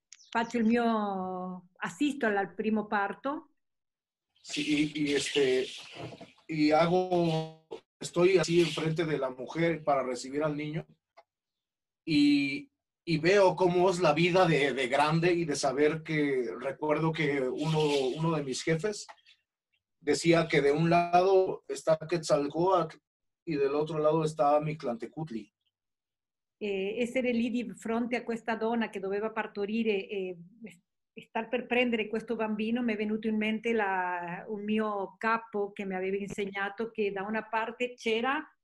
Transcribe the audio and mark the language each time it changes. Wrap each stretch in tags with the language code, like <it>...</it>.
<it>Faccio il mio assisto al primo parto.</it> <es>Sí, y hago estoy así enfrente de la mujer para recibir al niño y veo cómo es la vida de grande y de saber que recuerdo que uno de mis jefes decía que de un lado está Quetzalcóatl y del otro lado está Mictlantecuhtli.</es> <it>Essere lì di fronte a questa donna che doveva partorire e star per prendere questo bambino, mi è venuto in mente un mio capo che mi aveva insegnato che da una parte c'era</it>